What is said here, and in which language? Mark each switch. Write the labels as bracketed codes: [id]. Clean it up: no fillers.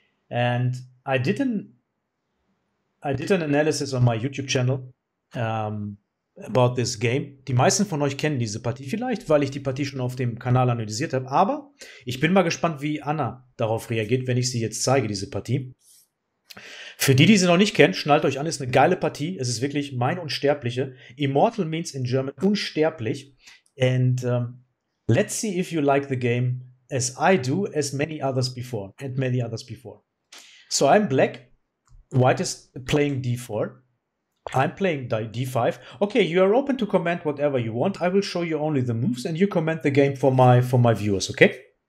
[en] And I did an analysis on my YouTube channel about this game. [de] Die meisten von euch kennen diese Partie vielleicht, weil ich die Partie schon auf dem Kanal analysiert habe. Aber ich bin mal gespannt, wie Anna darauf reagiert, wenn ich sie jetzt zeige, diese Partie. Für die, die sie noch nicht kennt, schnallt euch an, es ist eine geile Partie. Es ist wirklich mein Unsterbliche. [en] Immortal means in German [de] unsterblich. [en] And let's see if you like the game as I do, as many others before, and many others before. So I'm black. White is playing d4. I'm playing d5. Okay, you are open to comment whatever you want. I will show you only the moves and you comment the game for my viewers, okay?